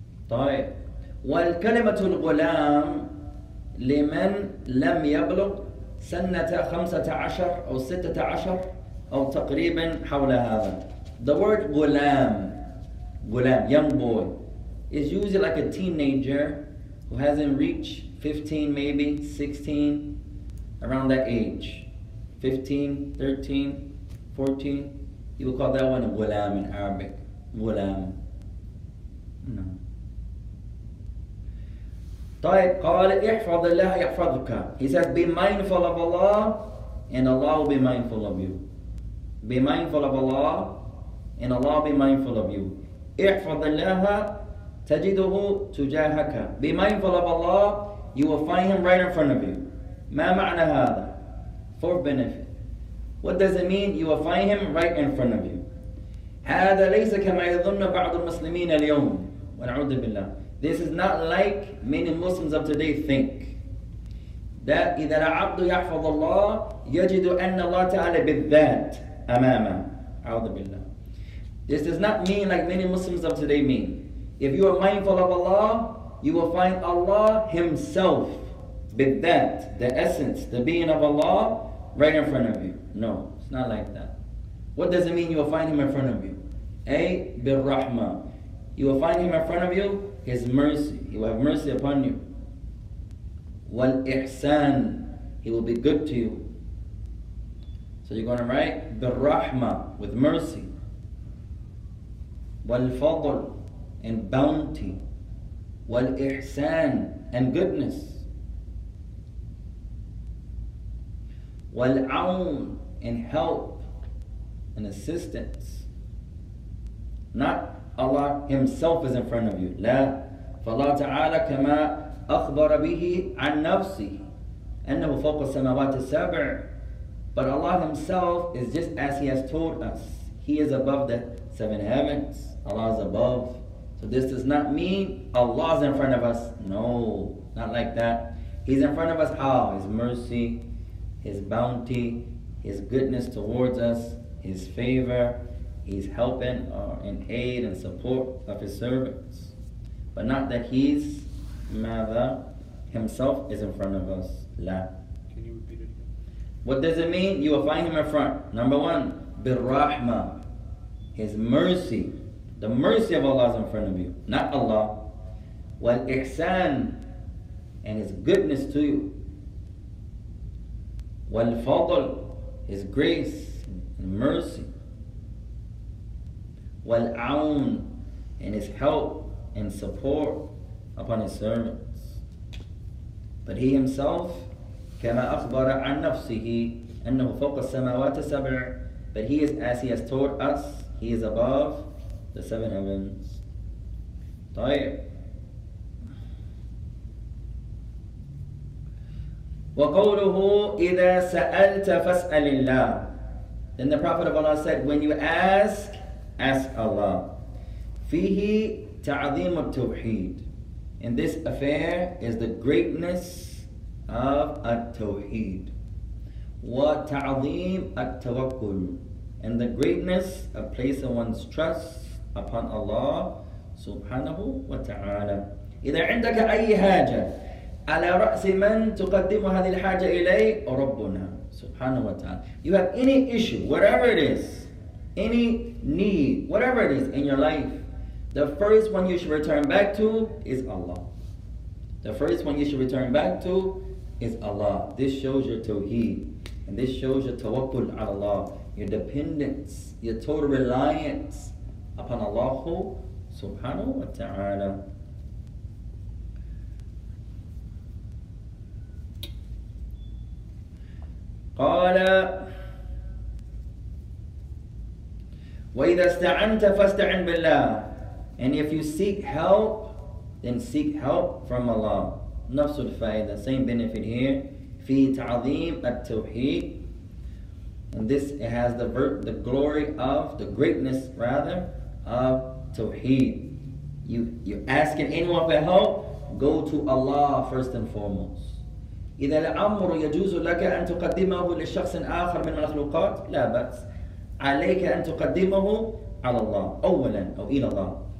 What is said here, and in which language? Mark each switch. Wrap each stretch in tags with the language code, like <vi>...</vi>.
<ar>طيب والكلمة الغلام لمن لم يبلغ سنة 15 أو 16 أو تقريبا حول هذا.</ar> <en>The word gulam, gulam, young boy, is usually like a teenager who hasn't reached 15, maybe 16, around that age. 15, 13, 14. You would call that one a gulam in Arabic. Gulam. No.</en> <ar>طيب قال احفظ الله يحفظك.</ar> <en>He says, be mindful of Allah, and Allah will be mindful of you. Be mindful of Allah, And Allah be mindful of you.</en> <ar>احفظ الله تجده تجاهك.</ar> <en>Be mindful of Allah, you will find Him right in front of you.</en> <ar>ما معنى هذا?</ar> <en>For benefit. What does it mean? You will find Him right in front of you.</en> <ar>هذا ليس كما يظن بعض المسلمين اليوم. ونعوذ بالله.</ar> <en>This is not like many Muslims of today think.</en> <ar>That إذا العبد يحفظ الله يجد أن الله تعالى بالذات أمامه. أعوذ بالله.</ar> <en>This does not mean like many Muslims of today mean. If you are mindful of Allah, you will find Allah Himself, بالذات, the essence, the being of Allah, right in front of you. No, it's not like that. What does it mean you will find Him in front of you?</en> <ar>A, بالرحمه.</ar> <en>You will find Him in front of you, His mercy. He will have mercy upon you. والإحسان. He will be good to you. So you're going to write بالرحمه, with mercy. والفضل, and bounty. والإحسان, and goodness. والعون, and help and assistance. Not Allah Himself is in front of you.</en> <ar>لا. فالله تعالى كما أخبر به عن نفسه أنه فوق السماوات السبع.</ar> <en>But Allah Himself is just as He has told us. He is above the seven heavens. Allah is above. So this does not mean Allah is in front of us. No, not like that. He's in front of us how? His mercy, His bounty, His goodness towards us, His favor, He's helping and aid and support of His servants. But not that He's, ماذا, Himself is in front of us.</en> <ar>لا.</ar> <en>Can you repeat it again? What does it mean? You will find Him in front. Number one, بالرحمة, His mercy. The mercy of Allah is in front of you, not Allah. والإحسان, and His goodness to you. والفضل, His grace and mercy. والعون, and His help and support upon His servants. But He Himself,</en> <ar>كما أخبر عن نفسه أنه فوق السماوات السبع.</ar> <en>But He is as He has told us, He is above the seven heavens.</en> <ar>طيب. وقوله إذا سألت فاسأل الله.</ar> <en>Then the Prophet of Allah said, when you ask, ask Allah.</en> <ar>فيه تعظيم التوحيد.</ar> <en>In this affair is the greatness of التوحيد.</en> <ar>وتعظيم التوكل.</ar> <en>And the greatness of placing one's trust upon Allah subhanahu wa ta'ala.</en> <ar>إذا عندك أي حاجة على رأس من تقدم هذه الحاجة إليه ربنا سبحانه وتعالى.</ar> <en>You have any issue, whatever it is, any need, whatever it is in your life, the first one you should return back to is Allah. The first one you should return back to is Allah. This shows your tawheed, and this shows your tawakkul ala Allah, your dependence, your total reliance upon Allah subhanahu wa ta'ala.</en> <ar>قال وإذا استعنت فاستعن بالله.</ar> <en>And if you seek help, then seek help from Allah.</en> <ar>نفس الفائدة,</ar> <en>same benefit here.</en> <ar>في تعظيم التوحيد.</ar> <en>And this, it has the glory of, the greatness rather, of توحيد. You asking anyone for help, go to Allah first and foremost.</en> <ar>إذا الأمر يجوز لك أن تقدمه لشخص آخر من المخلوقات لا بأس عليك أن تقدمه على الله أولا أو إلى الله.</ar>